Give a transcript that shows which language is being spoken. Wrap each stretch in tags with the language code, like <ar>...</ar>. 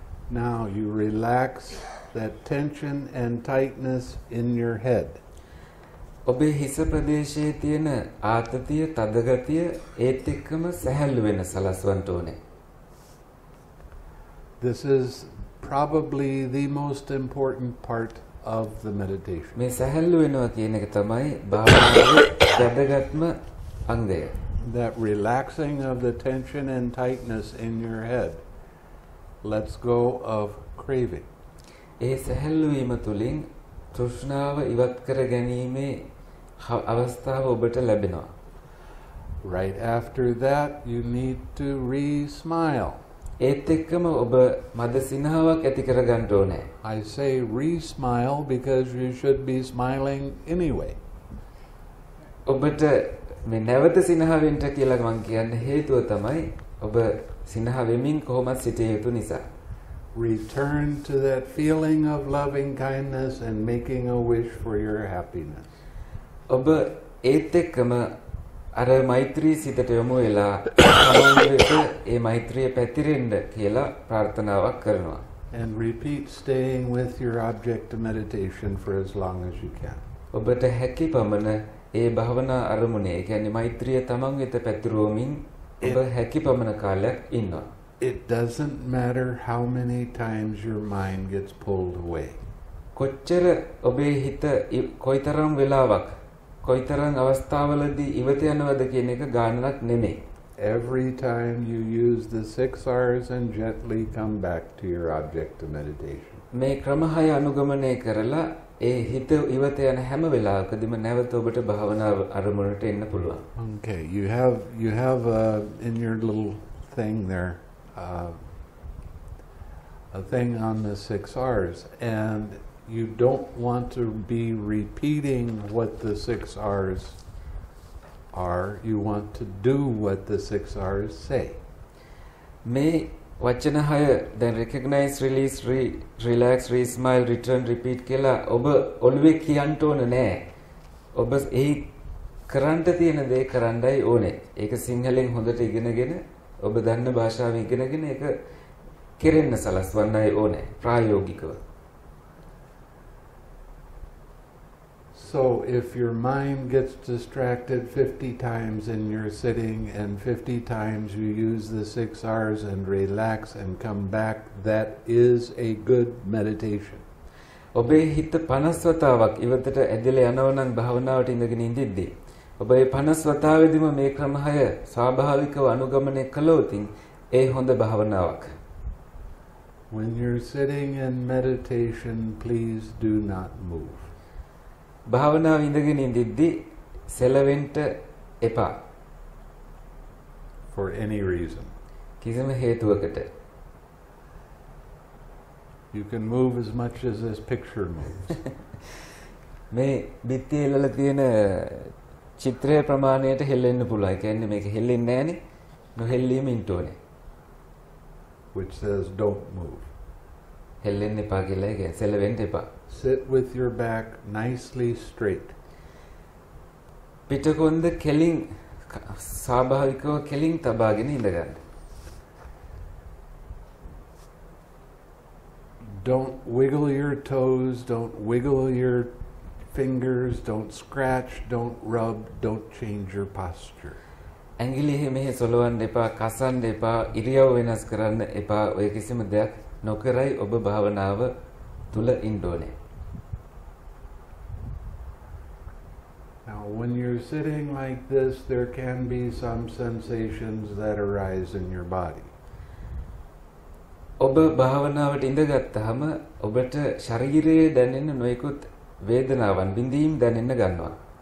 <en>Now you relax that tension and tightness in your head.</en> <si>ඔබේ හිස ප්‍රදේශයේ තියෙන ආතතිය, තදගතිය ඒත් එක්කම සැහැල්ලු වෙන සලස්වන්ට ඕනේ.</si> <en>This is probably the most important part of the meditation.</en> <si>මේ සැහැල්ලු වෙනවා කියන එක තමයි භාවනාවේ වැදගත්ම අංගය.</si> <en>That relaxing of the tension and tightness in your head lets go of craving.</en> <si>ඒ සැහැල්ලු වීම තුළින් තෘෂ්ණාව ඉවත් කර ගැනීමේ අවස්ථාව ඔබට ලැබෙනවා.</si> <en>Right after that you need to re-smile.</en> <si>ඒත් එක්කම ඔබ මද සිනහාවක් ඇති කර ගන්න ඕනේ.</si> <en>I say re-smile because you should be smiling anyway.</en> <si>ඔබට මේ නැවත සිනහවෙන්ට කියලා මම කියන්න හේතුව තමයි ඔබ සිනහවෙමින් කොහොමත් සිටිය යුතු නිසා.</si> <en>Return to that feeling of loving kindness and making a wish for your happiness.</en> <si>ඔබ ඒත් එක්කම අර මෛත්‍රී සිතට යොමු වෙලා සමන්විත ඒ මෛත්‍රිය පැතිරෙන්න කියලා ප්‍රාර්ථනාවක් කරනවා.</si> <en>And repeat staying with your object of meditation for as long as you can.</en> <si>ඔබට හැකි පමණ ඒ භවනා අරමුණේ, ඒ කියන්නේ මෛත්‍රිය තමන් වෙත පැතිරුවමින් ඔබ හැකි පමණ කාලයක් ඉන්නවා.</si> <en>It doesn't matter how many times your mind gets pulled away.</en> <si>කොච්චර ඔබේ හිත කොයිතරම් වෙලාවක් කොයිතරම් අවස්ථාවලදී ඉවත යනවද කියන එක ගණනක් නෙමෙයි.</si> <en>Every time you use the 6 R's and gently come back to your object of meditation.</en> <si>මේ ක්‍රම හය අනුගමනය කරලා ඒ හිත ඉවත යන හැම වෙලාවකදීම නැවත ඔබට භාවනා අරමුණට එන්න පුළුවන්.</si> <en>Okay, you have in your little thing there a thing on the 6 R's and you don't want to be repeating what the 6 R's are. You want to do what the 6 R's say.</en> <si>මේ වචන හය දැන්</si> <en>recognize, release, relax, re-smile, return, repeat</en> <si>කියලා ඔබ ඔළුවේ කියන්න ඕන නෑ. ඔබ ඒ කරන්න තියෙන දේ කරන්නයි ඕනේ. ඒක සිංහලෙන් හොඳට ඉගෙනගෙන ඔබ දන්න භාෂාවෙන් ඉගෙනගෙන ඒක කෙරෙන්න සලස්වන්නයි ඕනේ ප්‍රායෝගිකව.</si> <en>So if your mind gets distracted 50 times in your sitting and 50 times you use the 6 R's and relax and come back, that is a good meditation.</en> <si>ඔබේ හිත 50 වතාවක් ඉවතට ඇදලා යනව නම් භාවනාවට ඉඳගෙන ඉඳිද්දී ඔබේ 50 වතාවෙදිම මේ ක්‍රමය ස්වාභාවිකව අනුගමනය කළොත් ඒ හොඳ භාවනාවක්.</si> <en>When you're sitting in meditation, please do not move.</en> <si>භාවනාව ඉඳගෙන ඉඳිද්දි සෙලවෙන්ට එපා.</si> <en>For any reason.</en> <si>කිසිම හේතුවකට.</si> <en>You can move as much as this picture moves.</en> <si>මේ පිටියේ ඉල්ලලා තියෙන චිත්‍රය ප්‍රමාණයට හෙල්ලෙන්න පුළුවන්. ඒ කියන්නේ මේක හෙල්ලෙන්නේ නැහනේ. නොහෙල්ලීමින් ඉන්නෝනේ.</si> <en>Which says don't move.</en> <si>හෙල්ලෙන්න එපා කියලා ඒක සෙලවෙන්ට එපා.</si> <en>Sit with your back nicely straight.</en> <si>පිටකොන්ද කෙලින් ස්වාභාවිකව කෙලින් තබාගෙන ඉඳගන්න.</si> <en>don't wiggle your toes, don't wiggle your fingers, don't scratch, don't rub, don't change your posture.</en> <si>ඇඟිලි මෙහෙ සොලවන්න එපා, කසන්න එපා, ඉරියව් වෙනස් කරන්න එපා, ඔය කිසිම දෙයක් නොකරයි ඔබ භාවනාව තුල ඉන්න ඕනේ.</si> <en>Now, when you're sitting like this, there can be some sensations that arise in your body.</en> <si>ඔබ භාවනාවට ඉඳගත්තාම ඔබට ශරීරයේ දැනෙන නොයෙකුත් වේදනාවන් බින්දීම් දැනෙන්න ගන්නවා.</si>